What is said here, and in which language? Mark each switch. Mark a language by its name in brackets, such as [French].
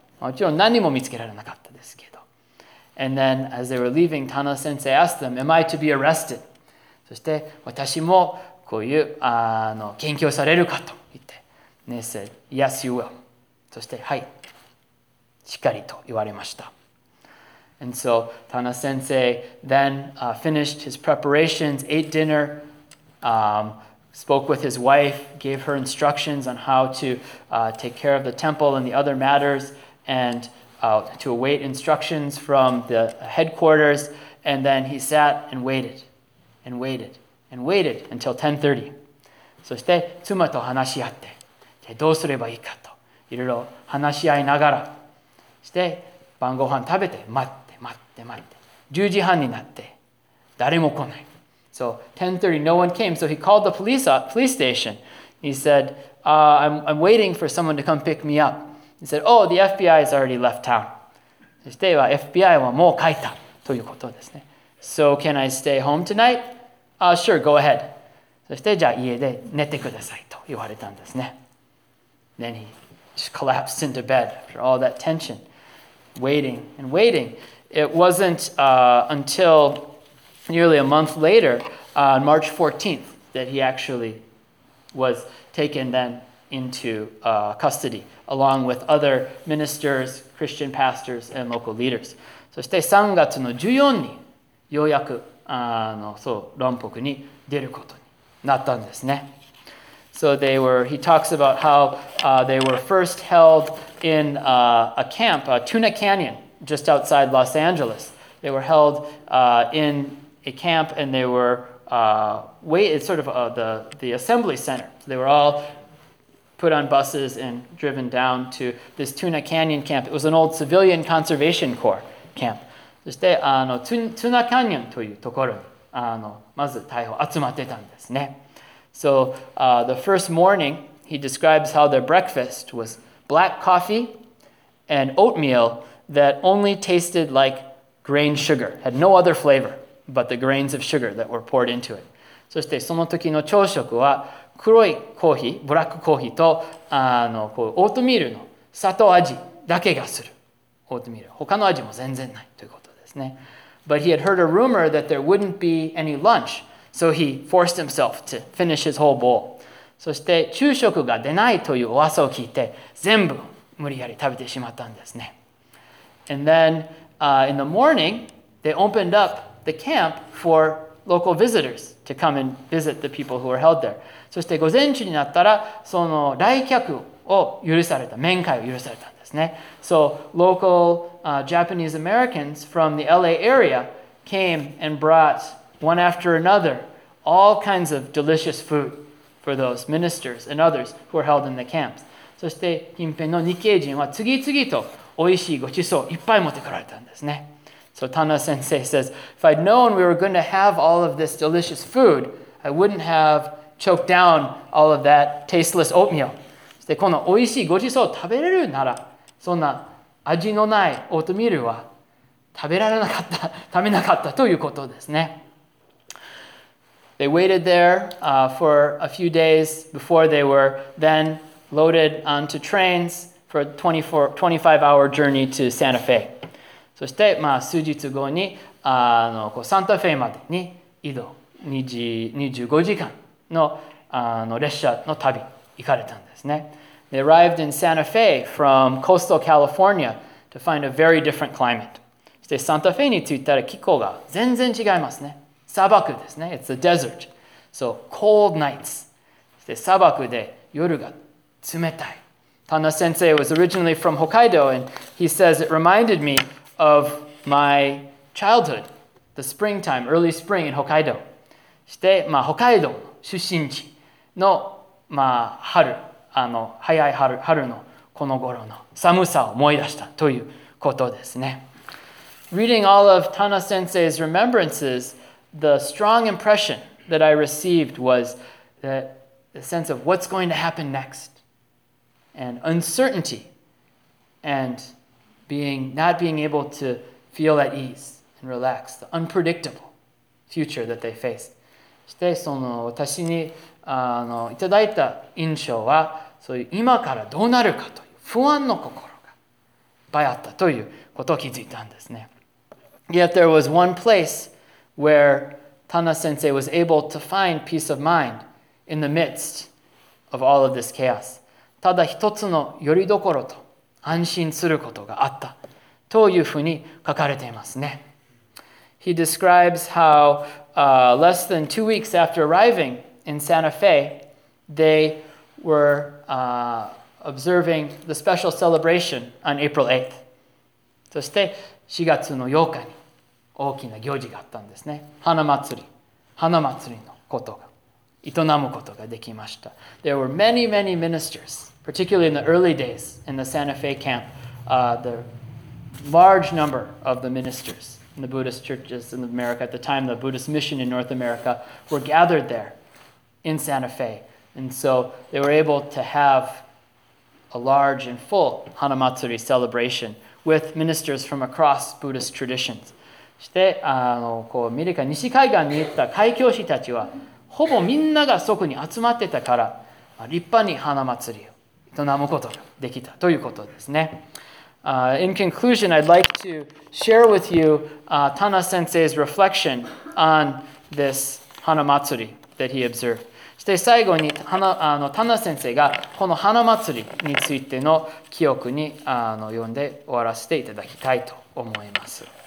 [Japanese] もちろん何も見つけられなかったですけど。 [English] And then as they were leaving, Tana sensei asked them, Am I to be arrested? [Japanese] そして私もこういう研究されるかと言って、ね、 [English] said, Yes, you will. [Japanese] そして、はい、しっかりと言われました。 [English] And so, Tana sensei then finished his preparations, ate dinner, spoke with his wife, gave her instructions on how to take care of the temple and the other matters, and to await instructions from the headquarters, and then he sat and waited, and waited. And waited until 10:30. [Japanese] そして妻と話し合って、じゃどうすればいいかといろいろ話し合いながら、して晩ご飯食べて待って待って待って、10時半になって誰も来ない。 [English] So 10:30, no one came. So he called the police station. He said, I'm waiting for someone to come pick me up. He said, Oh, the FBI has already left town. [Japanese] そしては FBI はもう帰ったということですね。 [English] So can I stay home tonight? Sure, go ahead. [Japanese] そしてじゃあ家で寝てくださいと言われたんですね。 [English] Then he just collapsed into bed after all that tension, waiting and waiting. It wasn't until nearly a month later, March 14th, that he actually was taken then into custody, along with other ministers, Christian pastors, and local leaders. [Japanese] そして3月の14日にようやくそう、論破に出ることになったんですね。 [English] So they were, he talks about how they were first held in a camp, Tuna Canyon, just outside Los Angeles. They were held in a camp and they were, it's sort of the assembly center. So they were all put on buses and driven down to this Tuna Canyon camp. It was an old Civilian Conservation Corps camp. [Japanese] そしてツナキャニオンというところにまず逮捕集まってたんですね。 [English] So, the first morning, he describes how their breakfast was black coffee and oatmeal that only tasted like grain sugar, had no other flavor but the grains of sugar that were poured into it. [Japanese] そしてその時の朝食は黒いコーヒー、ブラックコーヒーとこうオートミールの砂糖味だけがする。オートミール。他の味も全然ないということ。 [English] But he had heard a rumor that there wouldn't be any lunch, so he forced himself to finish his whole bowl. [Japanese] そして昼食が出ないという噂を聞いて、全部無理やり食べてしまったんですね。 [English] And then, in the morning, they opened up the camp for local visitors to come and visit the people who were held there. [Japanese] そして午前中になったら、その来客を許された、面会を許された。 [English] So local Japanese Americans from the LA area came and brought one after another all kinds of delicious food for those ministers and others who were held in the camps. [Japanese] そして近辺の日系人は次々と美味しいごちそういっぱい持ってこられたんですね。 [English] So Tana sensei says, if I'd known we were going to have all of this delicious food, I wouldn't have choked down all of that tasteless oatmeal. [Japanese] そしてこの美味しいごちそうを食べれるなら、そんな味のないオートミールは食べられなかった、食べなかったということですね。 [English] They waited there for a few days before they were then loaded onto trains for a 25-hour journey to Santa Fe. [Japanese] そして、まあ、数日後にあのこうサンタフェまでに移動25時間 の, あの列車の旅行かれたんですね。 [English] They arrived in Santa Fe from coastal California to find a very different climate. [Japanese] そしてサンタフェに着いたら気候が全然違いますね。砂漠ですね。 [English] It's a desert. So cold nights. [Japanese] そして砂漠で夜が冷たい。 [English] Tanda Sensei was originally from Hokkaido and he says it reminded me of my childhood, the springtime, early spring in Hokkaido. [Japanese] そして、まあ、Hokkaido 出身地の、まあ、春。あの早い 春のこの頃の寒さを思い出したということですね。 [English] Reading all of Tana Sensei's remembrances, the strong impression that I received was the sense of what's going to happen next, and uncertainty, and not being able to feel at ease and relax, the unpredictable future that they faced. [Japanese] そしてその私にあのいただいた印象はそういう今からどうなるかという不安の心がいっぱいあったということを気づいたんですね。 [English] Yet there was one place where Tana Sensei was able to find peace of mind in the midst of all of this chaos. [Japanese] ただ一つの拠り所と安心することがあったというふうに書かれていますね。 [English] He describes how less than 2 weeks after arriving in Santa Fe, they were observing the special celebration on April 8th. [Japanese] そして4月の8日に大きな行事があったんですね。花祭りのことが営むことができました。 [English] There were many, many ministers, particularly in the early days in the Santa Fe camp, the large number of the ministers in the Buddhist churches in America at the time, the Buddhist mission in North America were gathered there in Santa Fe. And so they were able to have a large and full Hanamatsuri celebration with ministers from across Buddhist traditions. [Japanese] そしてあのこうアメリカ西海岸に行った海教師たちはほぼみんながそこに集まってたから、まあ、立派に Hanamatsuri を営むことができたということですね。 [English] In conclusion, I'd like to share with you Tana Sensei's reflection on this Hanamatsuri that he observed. [Japanese] そして最後に、田中先生がこの花祭りについての記憶に読んで終わらせていただきたいと思います。